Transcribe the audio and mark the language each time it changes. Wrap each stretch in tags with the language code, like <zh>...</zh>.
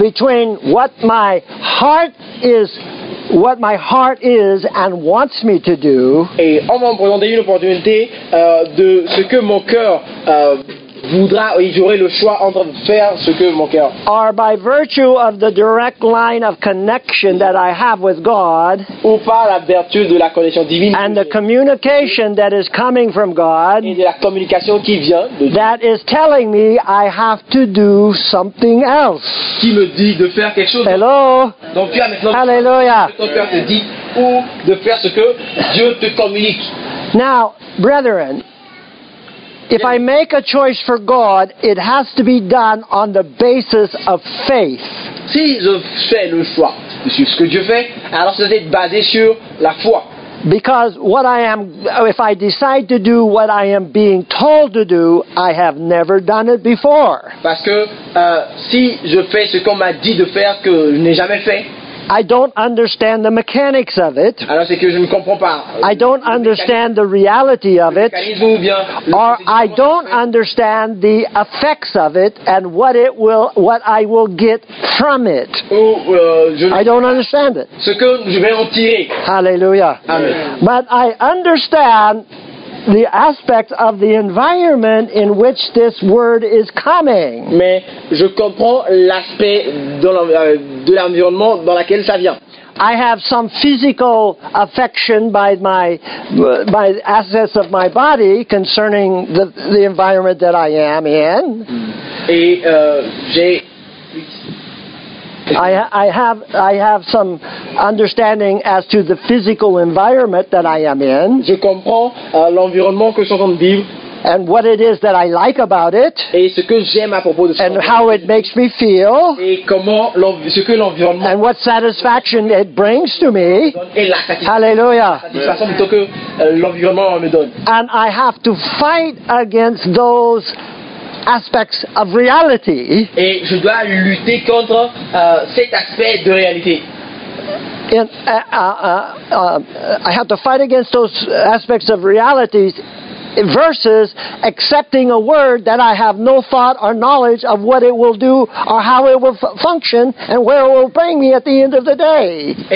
<en>between what my heart is and wants me to do,</en> <fr>et on m'a présenté une opportunité de ce que mon cœur voudra, et j'aurai le choix entre faire ce que mon cœur,</fr> <en>or by virtue of the direct line of connection that I have with God,</en> <fr>ou par la vertu de la connexion divine,</fr> <en>and the communication that is coming from God,</en> <fr>et de la communication qui vient de Dieu,</fr> <en>that is telling me I have to do something else,</en> <fr>qui me dit de faire quelque chose.</fr> <en>Hello.</en> <fr>Donc tu as maintenant, hallelujah, ce que ton cœur te dit, ou de faire ce que Dieu te communique.</fr> <en>Now brethren, if I make a choice for God, it has to be done on the basis of faith.</en> <fr>Si je fais le choix de ce que Dieu fait, alors ça doit être basé sur la foi.</fr> <en>Because what I am, if I decide to do what I am being told to do, I have never done it before.</en> <fr>Parce que si je fais ce qu'on m'a dit de faire que je n'ai jamais fait,</fr> <en>I don't understand the mechanics of it.</en> <fr>Alors, c'est que je ne comprends pas. I don't understand the reality of it. Or I don't understand the effects of it and what I will get from it. I don't understand it. Ce que je vais en tirer. Hallelujah. Amen.</fr> <en>But I understand the aspect of the environment in which this word is coming.</en> <fr>Mais je comprends l'aspect de l'environnement dans lequel ça vient.</fr> <en>I have some physical affection by my assets of my body concerning the environment that I am in.</en> <fr>Et j'ai</fr> <en>I have some understanding as to the physical environment that I am in.</en> <fr>Je comprends l'environnement que je suis en train de vivre.</fr> <en>And what it is that I like about it.</en> <fr>Et ce que j'aime à propos de ça.</fr> <en>And how it makes me feel.</en> <fr>Et comment ce que l'environnement.</fr> <en>And what satisfaction it brings to me.</en> <fr>Et la satisfaction. Hallelujah. Satisfaction plutôt que l'environnement me donne.</fr> <en>And I have to fight against those aspects of reality.</en> <fr>Et je dois lutter contre cet aspect de réalité.</fr> <en>I have to fight against those aspects of realities versus accepting a word that I have no thought or knowledge of what it will do or how it will function and where it will bring me at the end of the day.</en>